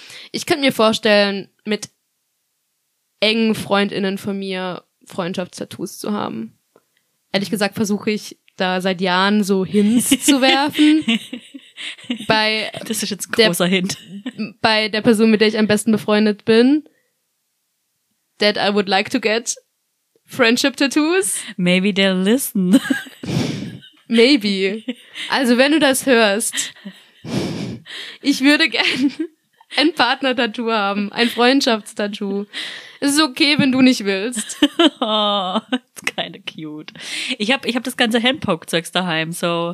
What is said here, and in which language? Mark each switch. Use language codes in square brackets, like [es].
[de] Ich könnte mir vorstellen, mit engen FreundInnen von mir Freundschaftstattoos zu haben. Ehrlich gesagt versuche ich, da seit Jahren so Hints zu werfen. Bei das ist jetzt ein großer Hint. Bei der Person, mit der ich am besten befreundet bin. [en] That I would like to get friendship tattoos. Maybe they'll listen. Maybe. [de] Also wenn du das hörst, ich würde gerne ein Partner-Tattoo haben. Ein Freundschaftstattoo. Es ist okay, wenn du nicht willst. [en] Oh, it's kind of cute. [de] Ich hab das ganze Handpoke-Zeugs daheim, so.